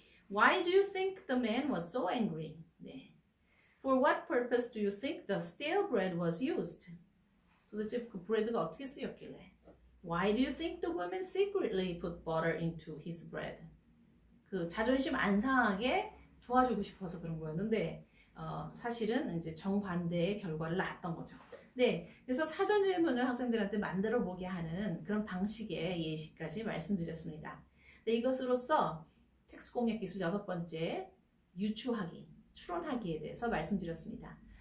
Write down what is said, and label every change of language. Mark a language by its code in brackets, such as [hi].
[en] Why do you think the man was so angry? [ko] 네. [en] For what purpose do you think the stale bread was used? [ko] 도대체 그 브레드가 어떻게 쓰였길래? [en] Why do you think the woman secretly put butter into his bread? [ko] 그 자존심 안 상하게 도와주고 싶어서 그런 거였는데 사실은 이제 정반대의 결과를 낳았던 거죠. 네, 그래서 사전 질문을 학생들한테 만들어 보게 하는 그런 방식의 예시까지 말씀드렸습니다. 네, 이것으로서 텍스 공약 기술 여섯 번째 유추하기, 추론하기에 대해서 말씀드렸습니다.